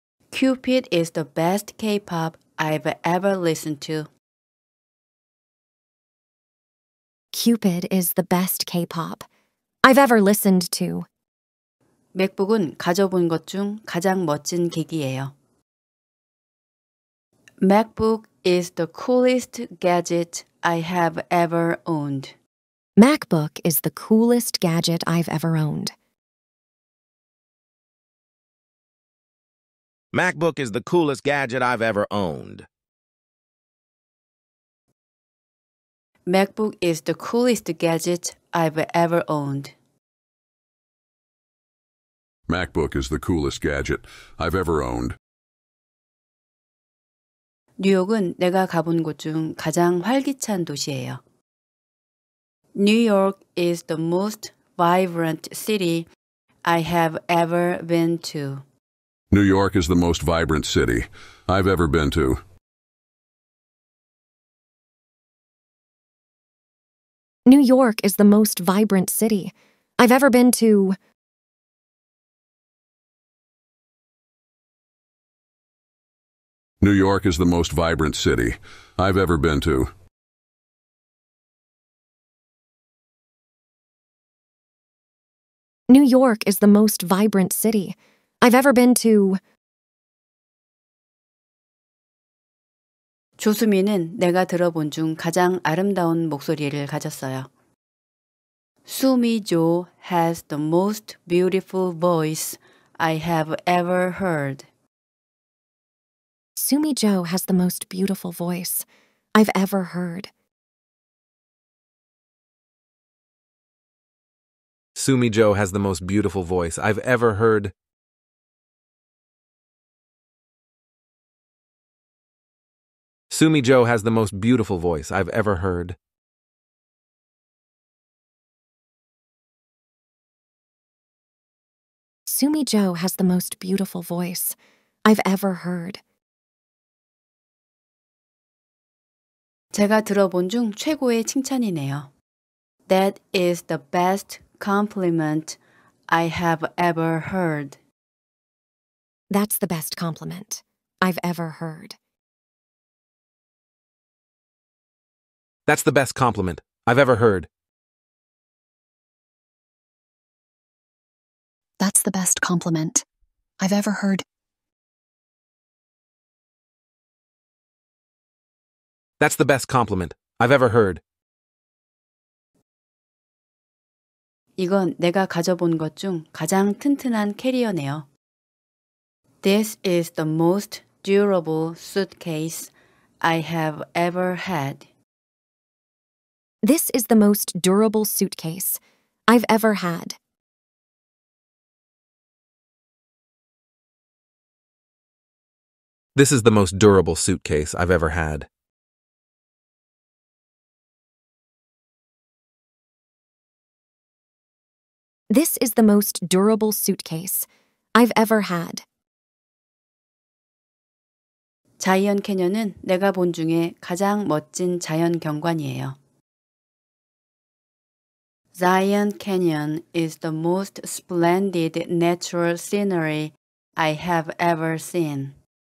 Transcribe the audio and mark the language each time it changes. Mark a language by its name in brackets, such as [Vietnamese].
[English] Cupid is the best K-pop I've ever listened to. Cupid is the best K-pop I've ever listened to. [Korean] 맥북은 가져본 것 중 가장 멋진 기기예요. [English] MacBook is the coolest gadget I have ever owned. MacBook is the coolest gadget I've ever owned. MacBook is the coolest gadget I've ever owned. MacBook is the coolest gadget I've ever owned. MacBook is the coolest gadget I've ever owned. [Korean] 뉴욕은 내가 가본 곳 중 가장 활기찬 도시예요. [English] New York is the most vibrant city I have ever been to. New York is the most vibrant city I've ever been to. New York is the most vibrant city. I've ever been to... New York is the most vibrant city I've ever been to. New York is the most vibrant city I've ever been to. [Korean] 조수미는 내가 들어본 중 가장 아름다운 목소리를 가졌어요. [English] Sumi Jo has the most beautiful voice I have ever heard. Sumi Jo has the most beautiful voice I've ever heard. Sumi Jo has the most beautiful voice I've ever heard. Sumi Jo has the most beautiful voice I've ever heard. 수미 조 has the most beautiful voice I've ever heard. [Korean] 제가 들어본 중 최고의 칭찬이네요. [English] That is the best compliment I have ever heard. That's the best compliment I've ever heard. That's the best compliment I've ever heard. That's the best compliment I've ever heard. That's the best compliment I've ever heard. [Korean] 이건 내가 가져본 것 중 가장 튼튼한 캐리어네요. [English] This is the most durable suitcase I have ever had. This is the most durable suitcase I've ever had. This is the most durable suitcase I've ever had. This is the most durable suitcase I've ever had. [Korean] 자이언 캐년은 내가 본 중에 가장 멋진 자연 경관이에요. [English] Zion Canyon is the most splendid natural scenery I have ever seen.